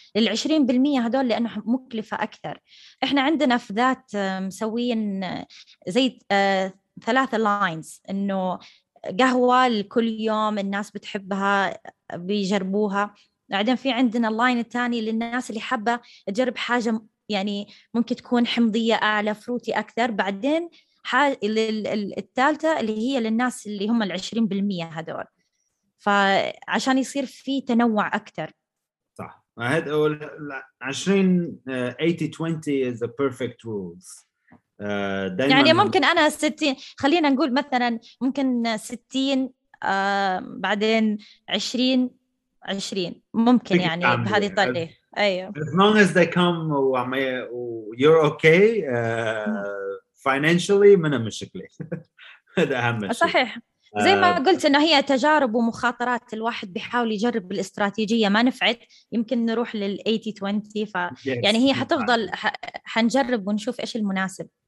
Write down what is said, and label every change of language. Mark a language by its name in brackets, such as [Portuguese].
[Arabic] لل 20% هدول لأنه مكلفة أكثر. إحنا عندنا في ذات مسوين زي ثلاثة lines, إنه قهوة لكل يوم الناس بتحبها بيجربوها, بعدين في عندنا line الثاني للناس اللي حابة تجرب حاجة يعني ممكن تكون حمضية أعلى فروتي أكثر, بعدين الثالثة اللي هي للناس اللي هم 20% هدول, فعشان يصير في تنوع أكثر. صح, هاد أول [English] 20 80-20 is the perfect rules. [Arabic] يعني ممكن أنا 60, خلينا نقول مثلا ممكن 60 بعدين 20-20 ممكن يعني بهذه الطريقة. [English] As long as they come, you're okay. [Arabic] financially من المشكلة. هذا أهم شيء. صحيح. زي ما قلت إنه هي تجارب ومخاطرات، الواحد بيحاول يجرب الاستراتيجية، ما نفعت يمكن نروح لل 80-20، ف يعني هي حتفضل حنجرب ونشوف إيش المناسب.